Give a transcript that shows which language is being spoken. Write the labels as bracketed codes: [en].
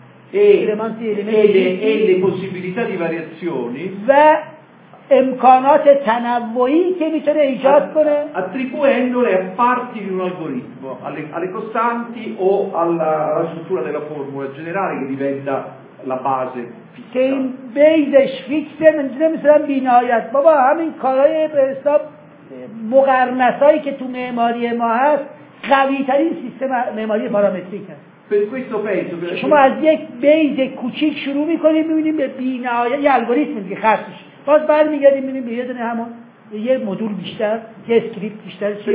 [it] e le possibilità di variazioni [fa] امکانات تنوعی که میتونه ایجاد کنه [it] attribuendole a parti di un algoritmo alle costanti o alla struttura della formula generale che diventa la base fissa. [fa] که این بیزش فیکسه نمیتونه مثلا بی‌نهایت بابا همین کارهای به حساب مقرنسایی که تو معماری ما هست قوی ترین سیستم معماری پارامتریک هست. [it] Per questo penso che [fa] شما از یک بیز کوچیک شروع میکنیم میبینیم به بی‌نهایت یه الگوریتمی که خاصش باز برمیگردیم ببینیم یه دونه همون یه مدول بیشتر یه اسکریپت بیشتر چیه.